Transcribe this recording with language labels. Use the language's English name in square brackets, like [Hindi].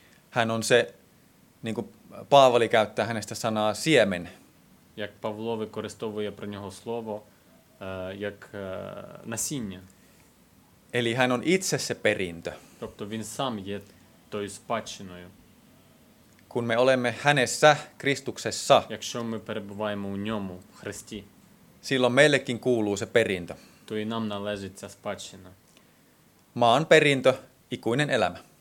[Finnish] Hän on se, niin kuin Paavali käyttää hänestä sanaa, siemen. [Ukrainian] Як Павло використовує про нього слово, як насіння. [Finnish] Eli hän on itse se perintö. [Ukrainian] Тобто він сам є тою спадщиною. [Finnish] Kun me olemme hänessä, Kristuksessa. [Ukrainian] Якщо ми перебуваємо у ньому, в Христі. [Finnish] Silloin meillekin kuuluu se perintö. [Ukrainian] Тої нам належить ця спадщина. [Finnish] Maan perintö, ikuinen elämä.